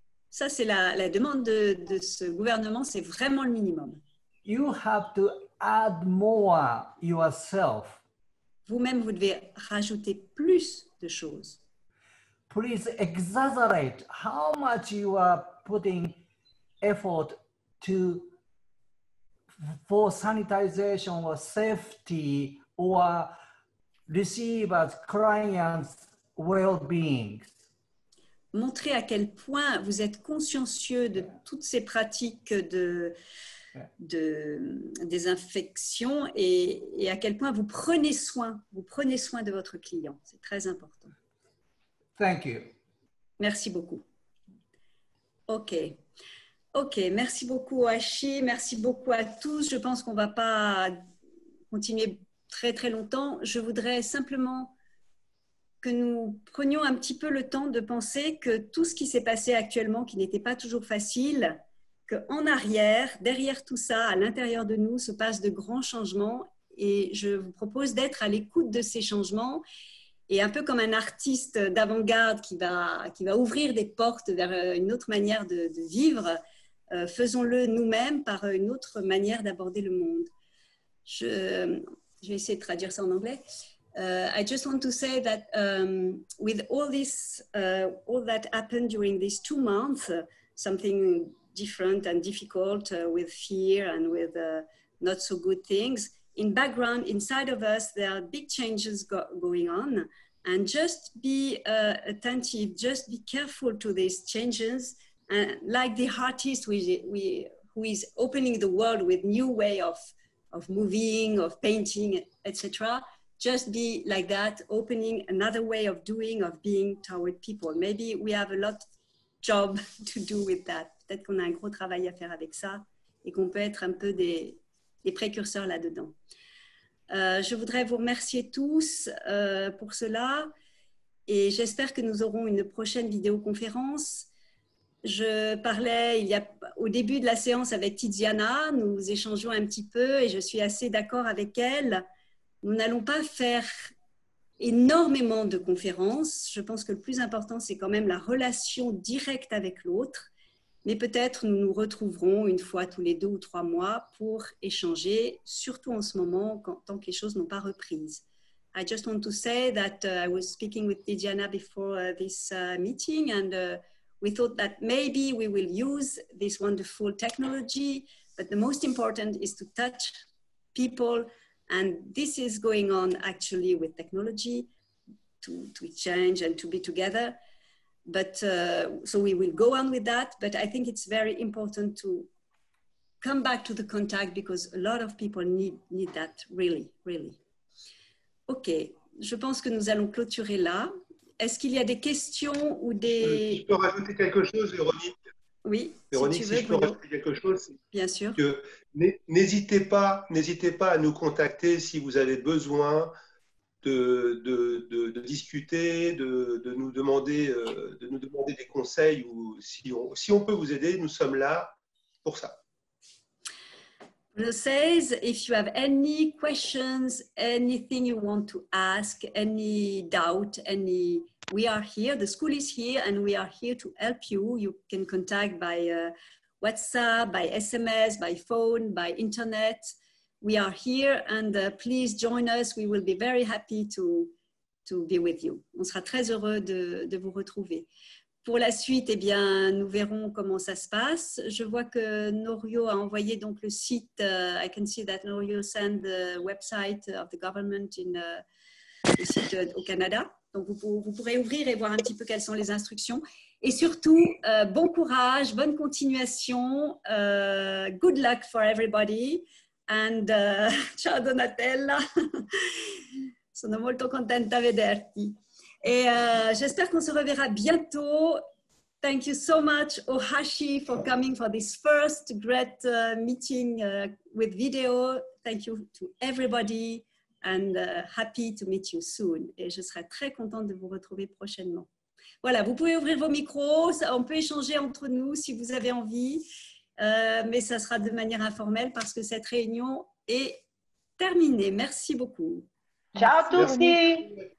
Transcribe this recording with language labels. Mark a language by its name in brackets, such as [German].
[French] Ça, c'est la demande de ce gouvernement, c'est vraiment le minimum. [English] You have to add more yourself. [French] Vous-même, vous devez rajouter plus de choses. [English] Please exaggerate how much you are putting effort to for sanitization or safety or receivers, clients, well-being. [French] Montrez à quel point vous êtes consciencieux de toutes ces pratiques de désinfection et à quel point vous prenez soin de votre client. C'est très important. [English] Thank you. [French] Merci beaucoup. OK. Ok, merci beaucoup Ohashi, merci beaucoup à tous. Je pense qu'on ne va pas continuer très très longtemps. Je voudrais simplement que nous prenions un petit peu le temps de penser que tout ce qui s'est passé actuellement, qui n'était pas toujours facile, qu'en arrière, derrière tout ça, à l'intérieur de nous, se passent de grands changements. Et je vous propose d'être à l'écoute de ces changements et un peu comme un artiste d'avant-garde qui va ouvrir des portes vers une autre manière de vivre, faisons-le nous-mêmes par une autre manière d'aborder le monde. Je vais essayer de traduire ça en anglais. [English] I just want to say that with all this, all that happened during these 2 months, something different and difficult with fear and with not so good things, in background, inside of us, there are big changes going on. And just be attentive, just be careful to these changes. And like the artist who is opening the world with new way of moving, of painting, etc. Just be like that, opening another way of doing, of being toward people. Maybe we have a lot job to do with that. [French] Peut-être qu'on a un gros travail à faire avec ça et qu'on peut être un peu des précurseurs là-dedans. Je voudrais vous remercier tous pour cela et j'espère que nous aurons une prochaine vidéoconférence. Je parlais au début de la séance avec Tiziana, nous échangeons un petit peu et je suis assez d'accord avec elle. Nous n'allons pas faire énormément de conférences. Je pense que le plus important, c'est quand même la relation directe avec l'autre. Mais peut-être nous nous retrouverons une fois tous les 2 ou 3 mois pour échanger, surtout en ce moment, tant que les choses n'ont pas repris. [English] I just want to say that I was speaking with Tiziana before this meeting, and we thought that maybe we will use this wonderful technology, but the most important is to touch people. And this is going on actually with technology to exchange and to be together. But so we will go on with that. But I think it's very important to come back to the contact because a lot of people need that really, really. [French] OK, je pense que nous allons clôturer là. Est-ce qu'il y a des questions ou des... Si je peux rajouter quelque chose, Véronique. Oui, Véronique, si, tu veux, si je peux rajouter quelque chose. Bien sûr. Que n'hésitez pas à nous contacter si vous avez besoin de discuter, de nous demander des conseils ou si on peut vous aider, nous sommes là pour ça. [English] Bruno says, if you have any questions, anything you want to ask, any doubt, any, we are here, the school is here and we are here to help you. You can contact by WhatsApp, by SMS, by phone, by internet. We are here and please join us. We will be very happy to be with you. [French] On sera très heureux de vous retrouver. Pour la suite, eh bien, nous verrons comment ça se passe. Je vois que Norio a envoyé donc le site. [English] I can see that Norio sent the website of the government in the site au Canada. [French] Donc, vous pourrez ouvrir et voir un petit peu quelles sont les instructions. Et surtout, bon courage, bonne continuation. [English] Good luck for everybody. And ciao, Donatella. [Italian] Sono molto contenta vederti. [French] Et j'espère qu'on se reverra bientôt. [English] Thank you so much, Ohashi, for coming for this first great meeting with video. Thank you to everybody and happy to meet you soon. [French] Et je serai très contente de vous retrouver prochainement. Voilà, vous pouvez ouvrir vos micros, on peut échanger entre nous si vous avez envie, mais ça sera de manière informelle parce que cette réunion est terminée. Merci beaucoup. [Italian] Ciao tutti.